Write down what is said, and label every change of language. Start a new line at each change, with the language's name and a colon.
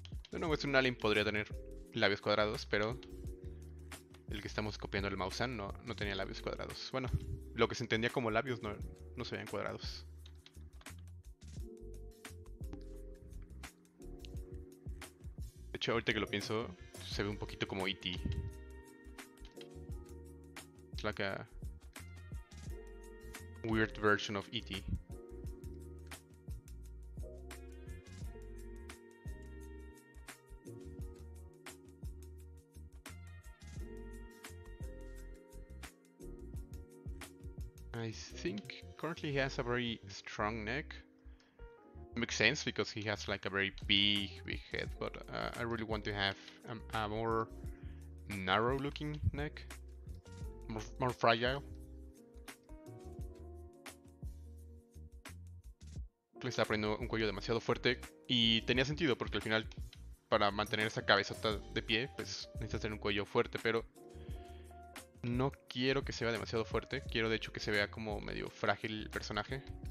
Spanish: De nuevo, es un alien, podría tener labios cuadrados, pero el que estamos copiando, el Maxon, no tenía labios cuadrados. Bueno, lo que se entendía como labios no se veían cuadrados. De hecho, ahorita que lo pienso, se ve un poquito como E.T.
English: It's like a weird version of E.T. I think currently he has a very strong neck. Makes sense because he has like a very big head, but I really want to have a more narrow looking neck, more fragile.
Spanish: Le estaba poniendo un cuello demasiado fuerte y tenía sentido porque al final para mantener esa cabezota de pie pues necesitas tener un cuello fuerte, pero no quiero que se vea demasiado fuerte, quiero de hecho que se vea como medio frágil el personaje.